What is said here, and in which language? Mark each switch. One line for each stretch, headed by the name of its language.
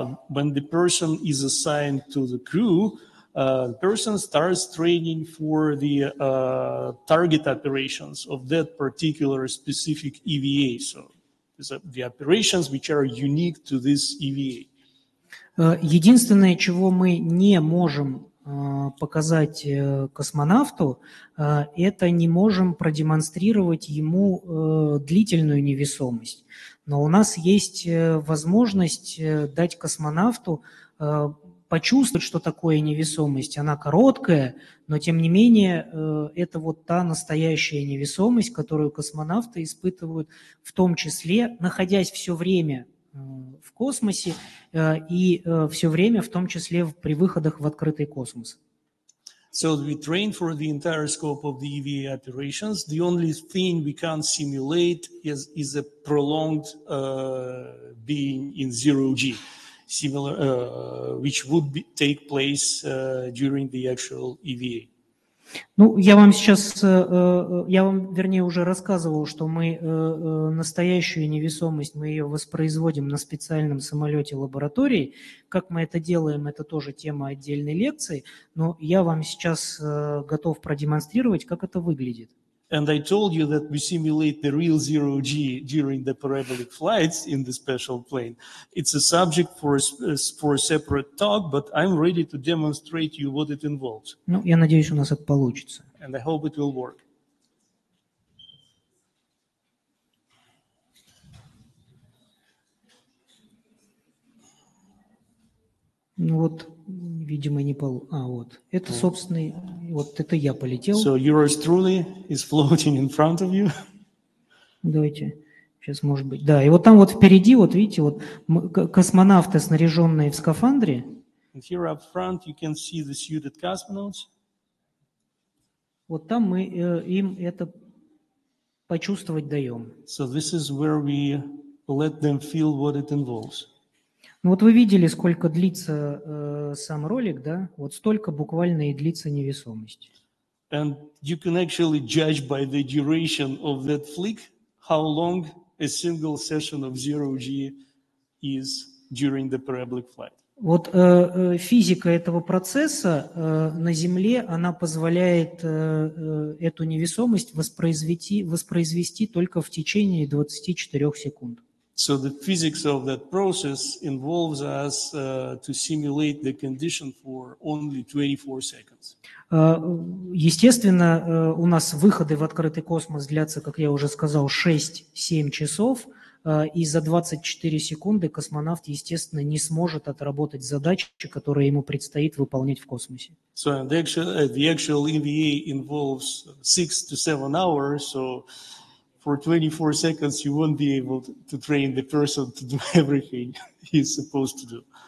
English: When the person is assigned to the crew, the person starts training for the target operations of that particular specific EVA. So the operations which are unique to this EVA.
Russian: Единственное, чего мы не можем показать космонавту, это не можем продемонстрировать ему длительную невесомость. Но у нас есть возможность дать космонавту почувствовать, что такое невесомость. Она короткая, но тем не менее это вот та настоящая невесомость, которую космонавты испытывают, в том числе находясь все время в космосе и все время, в том числе при выходах в открытый космос.
English: So we train for the entire scope of the EVA operations. The only thing we can't simulate is a prolonged being in zero G, similar, which would be, take place during the actual EVA.
Russian: Ну, я вам сейчас, я вам, вернее, уже рассказывал, что мы настоящую невесомость, мы ее воспроизводим на специальном самолете-лаборатории. Как мы это делаем, это тоже тема отдельной лекции, но я вам сейчас готов продемонстрировать, как это выглядит.
English: And I told you that we simulate the real zero G during the parabolic flights in the special plane. It's a subject for a separate talk, but I'm ready to demonstrate you what it involves.
Russian: Ну, я надеюсь, у нас это получится.
English: And I hope it will work.
Russian: Ну вот, видимо, не пол. А вот это, собственно, вот это я полетел.
English: So yours truly is floating in front of you.
Russian: Давайте сейчас, может быть, да. И вот там вот впереди, вот видите, вот космонавты, снаряженные в скафандре.
English: And here up front you can see the suited cosmonauts.
Russian: Вот там мы им это почувствовать даем.
English: So this is where we let them feel what it involves.
Russian: Ну вот вы видели, сколько длится сам ролик, да? Вот столько буквально и длится невесомость.
English: And you can actually judge by the duration of that flick how long a single session of zero G is during the parabolic flight.
Russian: Вот физика этого процесса на Земле, она позволяет эту невесомость воспроизвести только в течение 24 секунд.
English: So the physics of that process involves us to simulate the condition for only 24 seconds.
Russian: Естественно, у нас выходы в открытый космос длятся, как я уже сказал, 6-7 часов, и за 24 секунды космонавт, естественно, не сможет отработать задачи, которые ему предстоит выполнять в космосе.
English: So the actual EVA involves 6-7 hours, so for 24 seconds you won't be able to train the person to do everything he's supposed to do.